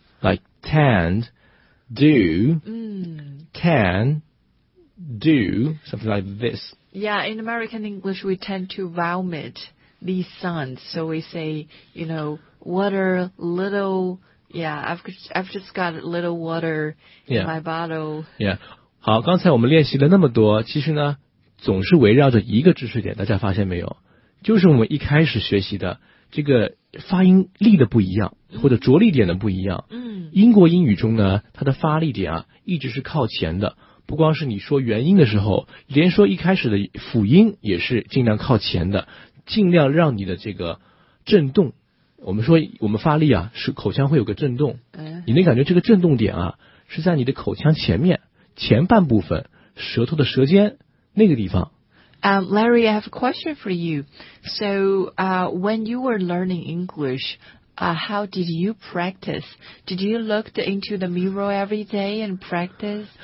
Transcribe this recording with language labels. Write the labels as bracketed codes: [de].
[en] Like tanned, do,、tan, do, something like this. Yeah, in American English, we tend to vomit these sounds. So we say, you know, water, little, yeah, I've just got a little water in、 yeah. my bottle. Yeah. [zh] 好，刚才我们练习了那么多，其实呢总是围绕着一个知识点，大家发现没有？就是我们一开始学习的这个发音力的不一样，或者着力点的不一样。嗯，英国英语中呢，它的发力点啊，一直是靠前的。不光是你说元音的时候，连说一开始的辅音也是尽量靠前的，尽量让你的这个震动。我们说我们发力啊，是口腔会有个震动。嗯，你能感觉这个震动点啊，是在你的口腔前面前半部分，舌头的舌尖。那个地方。 [en] Larry, I have a question for you. So, when you were learning English, how did you practice? Did you look into the mirror every day and practice?